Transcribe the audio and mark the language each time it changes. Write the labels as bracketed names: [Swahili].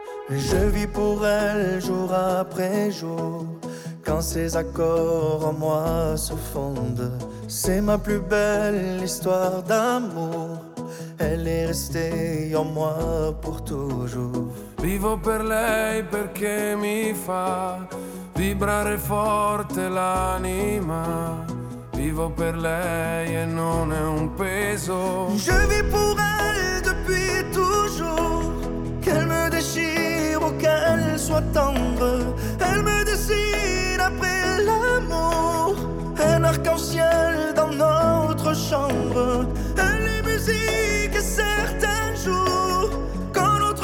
[French] Je vis pour elle jour après jour. Quand ces accords en moi se fondent, c'est ma plus belle histoire d'amour. Elle est restée en moi pour toujours. [Italian] Vivo per lei perché mi fa vibrare forte l'anima. Vivo per lei e non è un peso. [French] Je vis pour elle depuis toujours. Qu'elle me déchire ou qu'elle soit tendre, elle me dessine après l'amour. Un arc-en-ciel dans notre chambre. Elle est musique et certains jours, quand